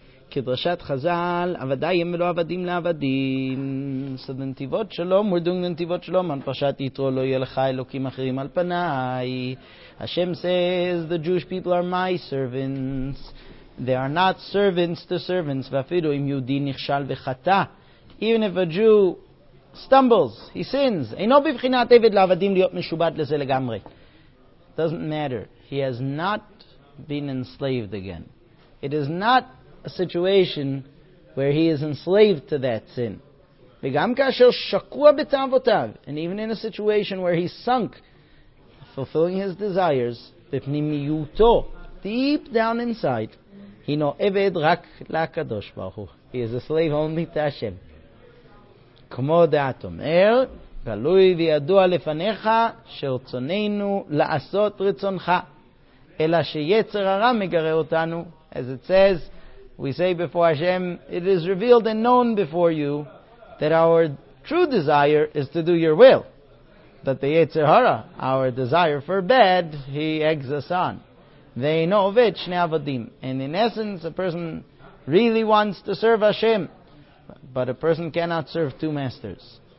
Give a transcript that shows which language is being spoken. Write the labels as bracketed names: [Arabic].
[Hebrew] כדרשת חז"ל, עבדי הם ולא עבדים לעבדים. [English] So the נתיבות שלום, we're doing the נתיבות שלום. [Hebrew] על פרשת יתרו לא יהיה לך אלוקים אחרים על פניי. [English] Hashem says, the Jewish people are my servants. They are not servants to servants. ואפילו אם יהודי נכשל וחטא, even if a Jew stumbles, he sins. [Hebrew] אינו בבחינת עבד לעבדים להיות משובד לזה לגמרי. [English] Doesn't matter. He has not been enslaved again. It is not a situation where he is enslaved to that sin. וגם כאשר שקוע בתאוותיו, and even in a situation where he sunk, fulfilling his desires, בפנימיותו, deep down inside, הינו עבד רק לקדוש ברוך הוא. He is a slave only to Hashem. [Hebrew] כמו דעת אומר, גלוי וידוע לפניך שרצוננו לעשות רצונך, אלא שיצר הרע מגרה אותנו. [English] As it says, we say before Hashem, it is revealed and known before you that our true desire is to do your will. But the Yetzer Hara, our desire for bad, he eggs us on. Ve'eino oved shnei avadim. And in essence, a person really wants to serve Hashem, but a person cannot serve two masters.